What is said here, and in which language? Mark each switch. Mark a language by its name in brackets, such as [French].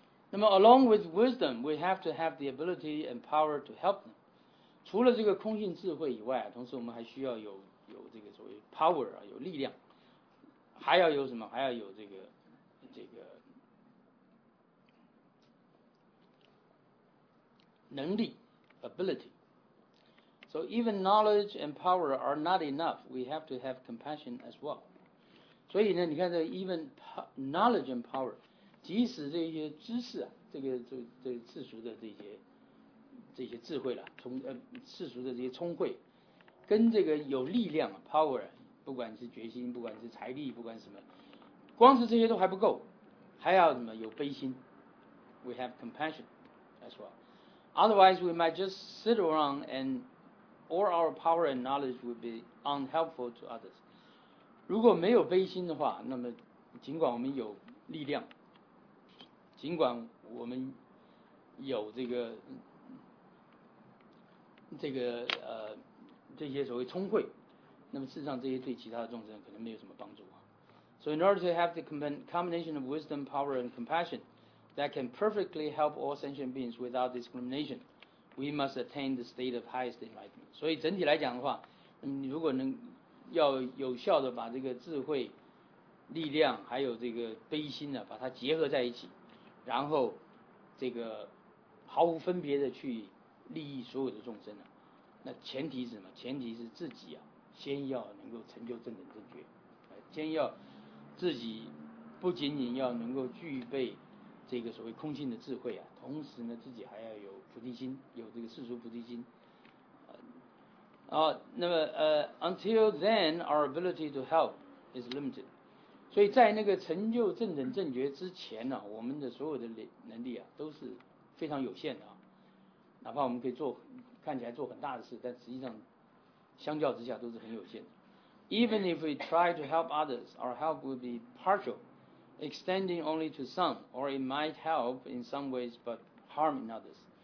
[Chinese] 那么 [English] along with wisdom, we have to have the ability and power to help them. [Chinese] 除了这个空性智慧以外，同时我们还需要有这个所谓 power 啊，有力量，还要有什么？还要有这个能力 ability。 [English] So even knowledge and power are not enough. We have to have compassion as well. [Chinese] 所以呢，你看这 [English] even knowledge and power， [Chinese] 即使这些知识啊，这个世俗的这些智慧了，世俗的这些聪慧，跟这个有力量 power， 不管是决心，不管是财力，不管什么，光是这些都还不够，还要什么有悲心 ？ [English] We have compassion as well. Otherwise, we might just sit around and all our power and knowledge would be unhelpful to others. [Chinese] 如果没有悲心的话，那么尽管我们有力量，尽管我们有这个这些所谓聪慧，那么事实上这些对其他的众生可能没有什么帮助。 [English] So in order to have the combination of wisdom, power and compassion that can perfectly help all sentient beings without discrimination, we must attain the state of highest enlightenment. [Chinese] 所以整体来讲的话，你如果能要有效的把这个智慧力量还有这个悲心呢，把它结合在一起，然后这个毫无分别的去利益所有的众生呢，那前提是什么？前提是自己啊先要能够成就正等正觉，先要自己不仅仅要能够具备这个所谓空性的智慧啊，同时呢自己还要有菩提心，有这个世俗菩提心。 [English] Until then, our ability to help is limited. [Chinese] 所以在那个成就正等正觉之前呢，我们的所有的能力啊都是非常有限的啊。哪怕我们可以做看起来做很大的事，但实际上相较之下都是很有限的。 [English] Even if we try to help others, our help will be partial, extending only to some, or it might help in some ways but harm in others.